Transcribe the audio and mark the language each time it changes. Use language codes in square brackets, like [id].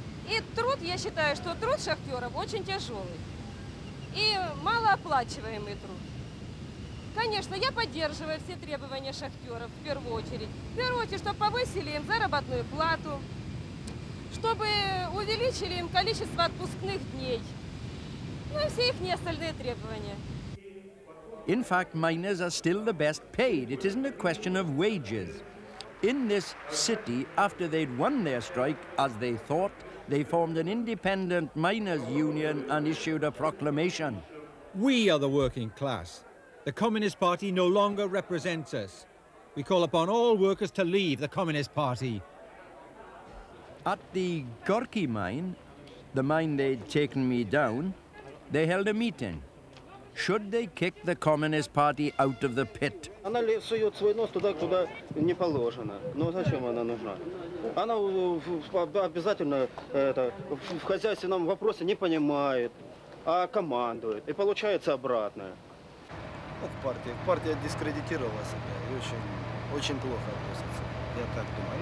[ru] И труд, я считаю, что труд шахтеров очень тяжелый. И малооплачиваемый труд. Конечно, я поддерживаю все требования шахтеров в первую очередь. В первую очередь, чтобы повысили им заработную плату, чтобы увеличили им количество отпускных дней. Ну и все их остальные требования. [en] In fact, miners are still the best paid. It isn't a question of wages. In this city, after they'd won their strike, as they thought, they formed an independent miners' union and issued a proclamation. We are the working class. The Communist Party no longer represents us. We call upon all workers to leave the Communist Party. At the Gorky mine, the mine they'd taken me down, they held a meeting. Should they kick the Communist Party out of the pit? [ru] Она сует свой нос туда, куда не положено. Ну зачем она нужна? Она обязательно это, в хозяйственном вопросе не понимает, а командует. И получается обратное. Партия дискредитировала себя и очень, очень плохо относится, я так думаю.